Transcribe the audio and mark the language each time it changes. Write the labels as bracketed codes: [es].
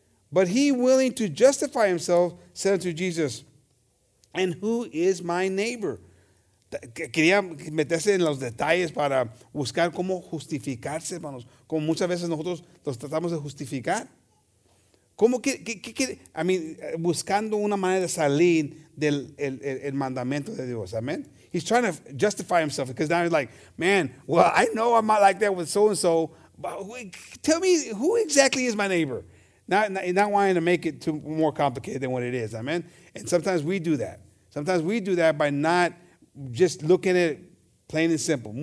[en] But he, willing to justify himself, said to Jesus, And who is my neighbor? [es] Quería meterse en los detalles para buscar cómo justificarse, hermanos. Como muchas veces nosotros nos tratamos de justificar. ¿Cómo que [en] I mean, [es] buscando una manera de salir del el mandamiento de Dios. [en] Amen. He's trying to justify himself because now he's like, man, well, I know I'm not like that with so-and-so. But tell me, who exactly is my neighbor? Not wanting to make it too more complicated than what it is. Amen. And sometimes we do that. Sometimes we do that by not just looking at it plain and simple.